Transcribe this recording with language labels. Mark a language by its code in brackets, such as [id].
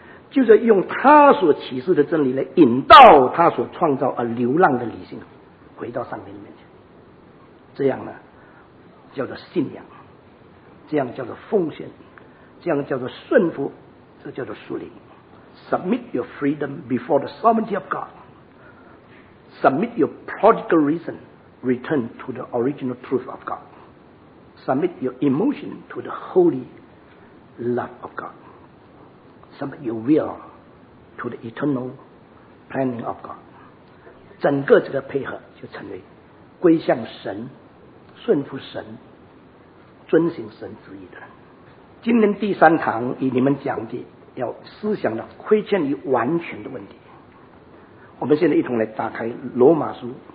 [zh] 就是用他所启示的真理来引导他所创造而流浪的理性回到上帝面前，这样呢叫做信仰，这样叫做奉献，这样叫做顺服，这叫做属灵。 [en] Submit your freedom before the sovereignty of God. Submit your prodigal reason, return to the original truth of God. Submit your emotion to the holy love of God. Submit your will to the eternal planning of God. [zh] 整个这个配合就成为归向神、顺服神、遵行神旨意的。今天第三堂与你们讲的要思想的亏欠与完全的问题，我们现在一同来打开罗马书。